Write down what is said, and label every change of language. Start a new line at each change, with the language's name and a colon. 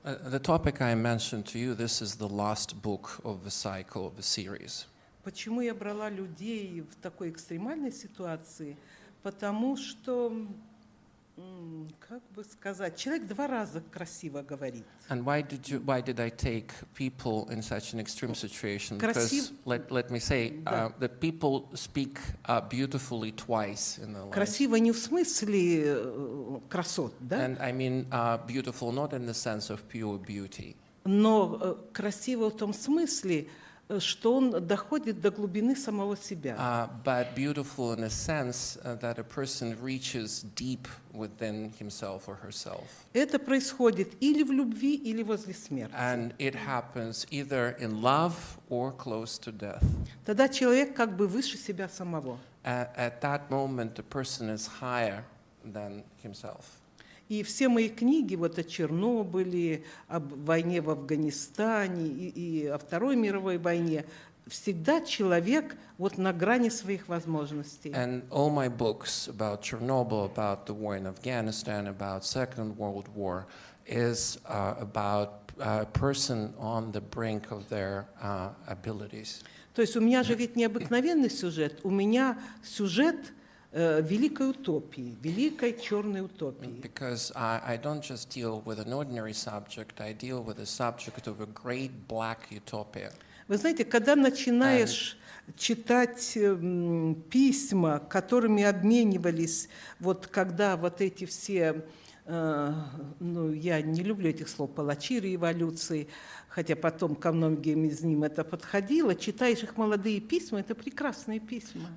English: The topic I mentioned to you, this is the last book of the cycle of the series.
Russian: Почему я брала людей в такой экстремальной ситуации? Потому что Как бы сказать, человек два раза красиво говорит.
English: And why did I take people in such an extreme situation? Because let me say, that people speak beautifully twice in their lives.
Russian: Красиво не в смысле красот, да?
English: And I mean beautiful not in the sense of pure beauty.
Russian: Но красиво в том смысле, что он доходит до глубины самого себя.
English: But beautiful in a sense that a person reaches deep within himself or herself.
Russian: Это происходит или в любви, или возле смерти.
English: And it happens either in love or close to death.
Russian: Тогда человек как бы выше себя самого.
English: At that moment, the person is higher than himself.
Russian: И все мои книги вот о Чернобыле, об войне в Афганистане и о Второй мировой войне всегда человек вот на грани своих возможностей.
English: And all my books about Chernobyl, about the war in Afghanistan, about Second World War is about a person on the brink of their abilities.
Russian: То есть у меня же ведь необыкновенный сюжет, у меня сюжет великой утопии, великой черной утопии.
English: Because I don't just deal with an ordinary subject, I deal with a subject of a great black utopia.
Russian: Вы знаете, когда начинаешь читать письма, которыми обменивались, вот когда вот эти все, ну, я не люблю этих слов, палачи революции, хотя потом ко многим из ним это подходило, читаешь их молодые письма, это прекрасные письма.